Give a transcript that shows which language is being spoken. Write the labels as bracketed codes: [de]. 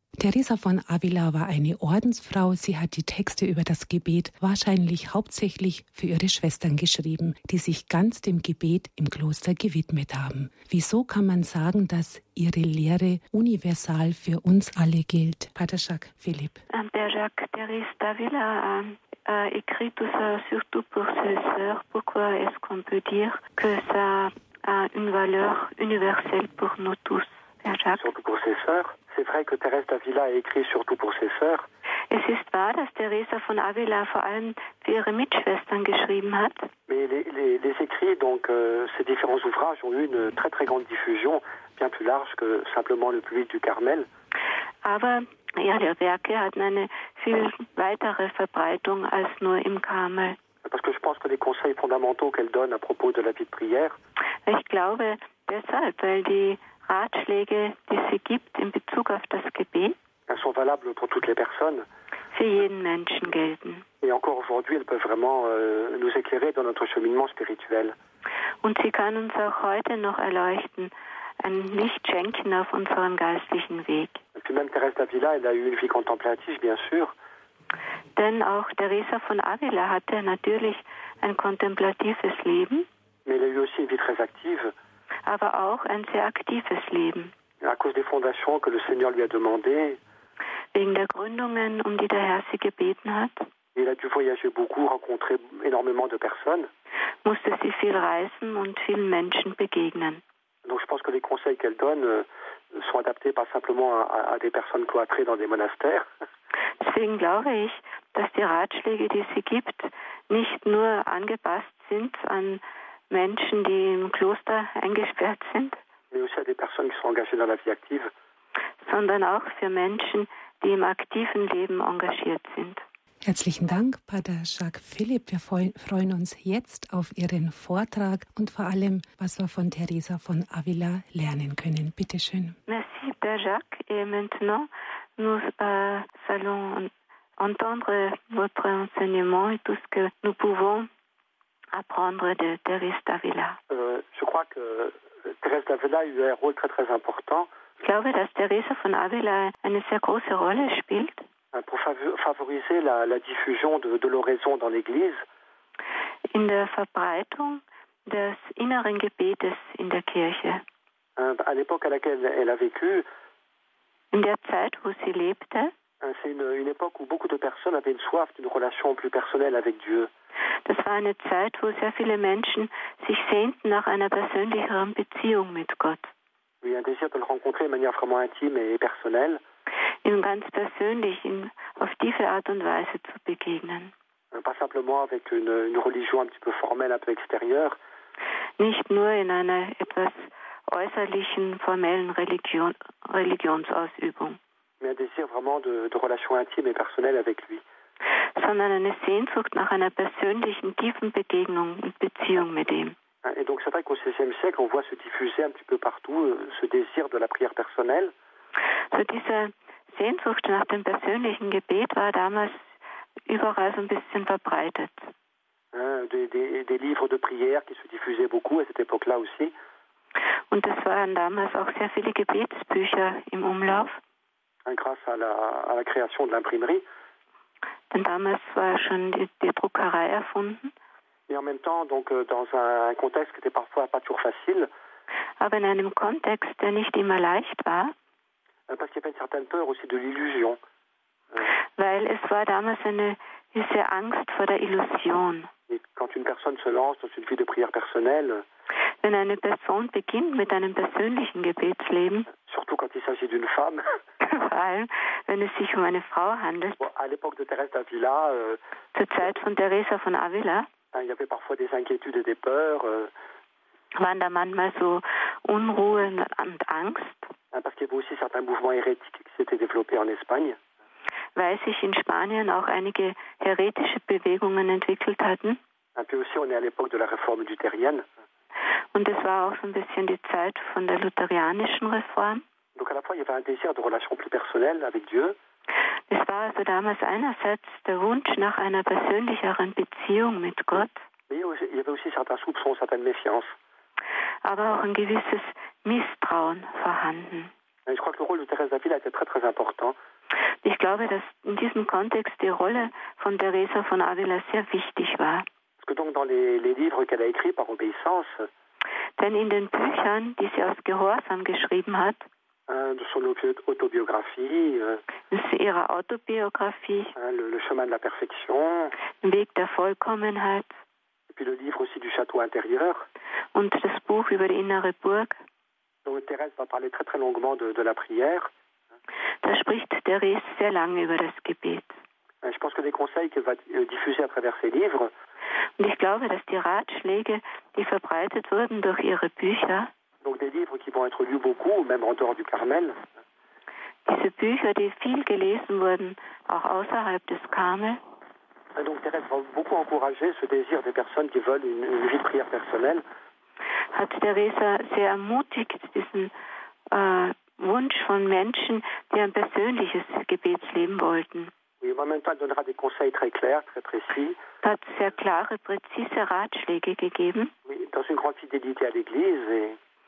[de] Teresa von Avila war eine Ordensfrau. Sie hat die Texte über das Gebet wahrscheinlich hauptsächlich für ihre Schwestern geschrieben, die sich ganz dem Gebet im Kloster gewidmet haben. Wieso kann man sagen, dass ihre Lehre universal für uns alle gilt? Pater Jacques Philipp. [fr] Pater Jacques, Teresa d'Avila a écrit tout ça surtout pour ses sœurs. Pourquoi est-ce qu'on peut dire que ça a une valeur universelle pour nous tous, Pater Jacques? Surtout pour ses sœurs. C'est vrai que Thérèse d'Avila a écrit surtout pour ses sœurs. [de] Es ist wahr, dass Teresa von Avila vor allem für ihre Mitschwestern geschrieben hat. [fr] Mais les écrits, donc ces différents ouvrages ont eu une très très grande diffusion, bien plus large que simplement le public du Carmel. [de] Aber ihre Werke hatten eine viel weitere Verbreitung als nur im Carmel. [fr] Parce que je pense que les conseils fondamentaux qu'elle donne à propos de la vie de prière. [de] Ich glaube deshalb, weil die Ratschläge, die sie gibt in Bezug auf das Gebet, [fr] elles sont valables pour toutes les personnes. [de] Für jeden Menschen gelten. [fr] Et encore aujourd'hui, elles peuvent vraiment nous éclairer dans notre cheminement spirituel. [de] Und sie kann uns auch heute noch erleuchten, ein Licht schenken auf unserem geistlichen Weg. [fr] Et puis même Thérèse d'Avila, elle a eu une vie contemplative, bien sûr. [de] Denn auch Teresa von Avila hatte natürlich ein kontemplatives Leben. [fr] Mais elle a eu aussi une vie très active. [de] Aber auch ein sehr aktives Leben. [fr] À cause des fondations que le Seigneur lui a demandé. [de] Wegen der Gründungen, um die der Herr sie gebeten hat. [fr] Il a dû voyager beaucoup, rencontrer énormément de personnes. [de] Musste sie viel reisen und vielen Menschen begegnen. [fr] Donc je pense que les conseils qu'elle donne sont adaptés pas simplement à des personnes cloîtrées dans des monastères. [de] Deswegen glaube ich, dass die Ratschläge, die sie gibt, nicht nur angepasst sind an Menschen, die im Kloster eingesperrt sind, [fr] mais aussi à des personnes qui sont engagées dans la vie active. [de] Sondern auch für Menschen, die im aktiven Leben engagiert sind. Herzlichen Dank, Pater Jacques Philipp. Wir freuen uns jetzt auf Ihren Vortrag und vor allem, was wir von Teresa von Avila lernen können. Bitte schön. [fr] Merci, Pater Jacques. Et maintenant, nous allons entendre votre enseignement et tout ce que nous pouvons apprendre de Teresa d'Avila. Je crois que Teresa d'Avila a eu un rôle très très important. [de] Ich glaube, dass Teresa von Avila eine sehr große Rolle spielt. [fr] Pour favoriser la diffusion de l'oraison dans l'Église. [de] In der Verbreitung des inneren Gebetes in der Kirche. [fr] À l'époque à laquelle elle a vécu. [de] In der Zeit, wo sie lebte. [fr] C'est une époque où beaucoup de personnes avaient une soif d'une relation plus personnelle avec Dieu. [de] Das war eine Zeit, wo sehr viele Menschen sich sehnten nach einer persönlicheren Beziehung mit Gott. [fr] Oui, un désir de le rencontrer de manière vraiment intime et personnelle. [de] Ihm ganz persönlich, ihm auf tiefe Art und Weise zu begegnen. [fr] Pas simplement avec une religion un petit peu formelle, un peu extérieure. [de] Nicht nur in einer etwas äußerlichen, formellen Religionsausübung. [fr] Mais un désir vraiment de relation intime et personnelle avec lui. [de] Sondern eine Sehnsucht nach einer persönlichen, tiefen Begegnung und Beziehung mit ihm. [fr] Et donc c'est vrai qu'au XVIe siècle, on voit se diffuser un petit peu partout ce désir de la prière personnelle. [de] So diese Sehnsucht nach dem persönlichen Gebet war damals überall so ein bisschen verbreitet. [fr] Des livres de prière qui se diffusaient beaucoup à cette époque-là aussi. [de] Und es waren damals auch sehr viele Gebetsbücher im Umlauf. [fr] Grâce à la création de l'imprimerie. [de] Denn damals war schon die Druckerei erfunden. [fr] Et en même temps, donc, dans un contexte qui était parfois pas toujours facile. [de] Aber in einem Kontext, der nicht immer leicht war. [fr] Parce qu'il y avait une certaine peur aussi de l'illusion. [de] Weil es war damals eine gewisse Angst vor der Illusion. [fr] Et quand une personne se lance dans une vie de prière personnelle. [de] Wenn eine Person beginnt mit einem persönlichen Gebetsleben. [fr] Surtout quand il s'agit d'une femme. [de] Vor allem, wenn es sich um eine Frau handelt. [fr] Bon, à l'époque de Thérèse d'Avila. [de] Zur Zeit von Teresa von Avila. [fr] Il y avait parfois des inquiétudes et des peurs. [de] Waren da manchmal so Unruhe und Angst. [fr] Parce qu'il y avait aussi certains mouvements hérétiques qui s'étaient développés en Espagne. [de] Weil sich in Spanien auch einige hérétische Bewegungen entwickelt hatten. [fr] Et puis aussi, on est à l'époque de la réforme luthérienne. [de] Und es war auch so ein bisschen die Zeit von der lutherianischen Reform. [fr] Donc à la fois, il y avait un désir de relation plus personnelle avec Dieu. [de] Es war also damals einerseits der Wunsch nach einer persönlicheren Beziehung mit Gott. [fr] Mais il y avait aussi certains soupçons, certaines méfiances. [de] Aber auch ein gewisses Misstrauen vorhanden. [fr] Et je crois que le rôle de Thérèse d'Avila était très très important. [de] Ich glaube, dass in diesem Kontext die Rolle von Teresa von Avila sehr wichtig war. [fr] Parce que donc dans les livres qu'elle a écrits par obéissance. [de] Denn in den Büchern, die sie aus Gehorsam geschrieben hat. [fr] De son autobiographie. [de] Ihre Autobiographie. [fr] Le chemin de la perfection. [de] Den Weg der Vollkommenheit. [fr] Puis le livre aussi du château intérieur. [de] Und das Buch über die innere Burg. [fr] Donc Thérèse va parler très très longuement de la prière. [de] Da spricht Thérèse sehr lange über das Gebet. [fr] Je pense que des conseils qu'elle va diffuser à travers ses livres. [de] Und ich glaube, dass die Ratschläge, die verbreitet wurden durch ihre Bücher. [fr] Donc des livres qui vont être lus beaucoup, même en dehors du Carmel. [de] Diese Bücher, die viel gelesen wurden, auch außerhalb des Carmel. [fr] Donc Thérèse va beaucoup encourager ce désir des personnes qui veulent une vie de prière personnelle. [de] Hat Thérèse sehr ermutigt diesen Wunsch von Menschen, die ein persönliches Gebetsleben wollten. [fr] Oui, en même temps, elle donnera des conseils très clairs, très précis. [de] Hat sehr klare, präzise Ratschläge gegeben. [fr] Oui, dans une grande fidélité à l'Église et.